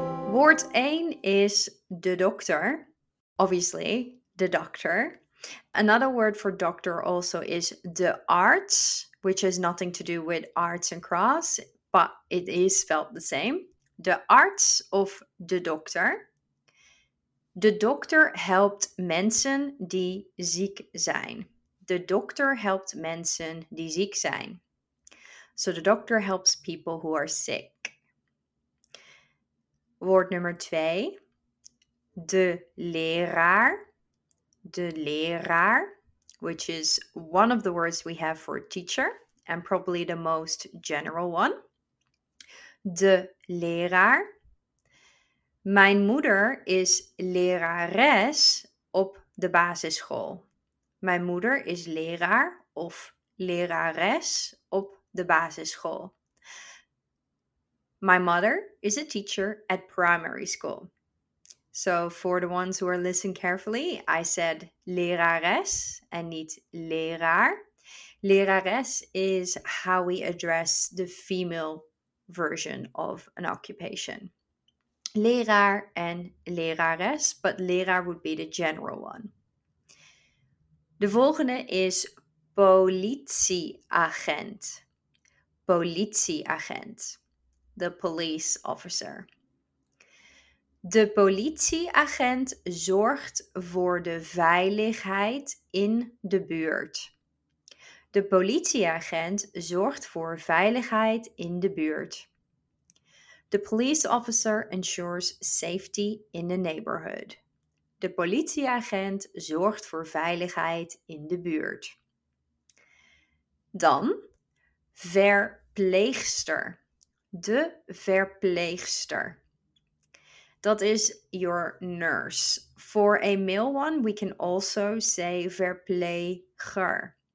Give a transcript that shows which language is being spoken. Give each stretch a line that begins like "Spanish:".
English: Word 1 is the doctor, obviously, the doctor. Another word for doctor also is the arts, which has nothing to do with arts and crafts, but it is spelled the same. The arts of the doctor. The doctor helped
Dutch: mensen die ziek zijn.
English: The doctor helped
Dutch: mensen die ziek zijn.
English: So the doctor helps people who are sick.
Dutch: Woord nummer 2, de leraar,
English: which is one of the words we have for teacher and probably the most general one.
Dutch: De leraar. Mijn moeder is lerares op de basisschool. Mijn moeder is leraar of lerares op de basisschool.
English: My mother is a teacher at primary school. So for the ones who are listening carefully, I said lerares and niet leraar. Lerares is how we address the female version of an occupation. Leraar and lerares, but leraar would be the general one.
Dutch: De volgende is politieagent.
English: Politieagent. The police officer.
Dutch: De politieagent zorgt voor de veiligheid in de buurt. De politieagent zorgt voor veiligheid in de buurt.
English: The police officer ensures safety in the neighborhood.
Dutch: De politieagent zorgt voor veiligheid in de buurt. Dan, verpleegster. De verpleegster. Dat is
English: your nurse. For a male one, we can also say verpleger.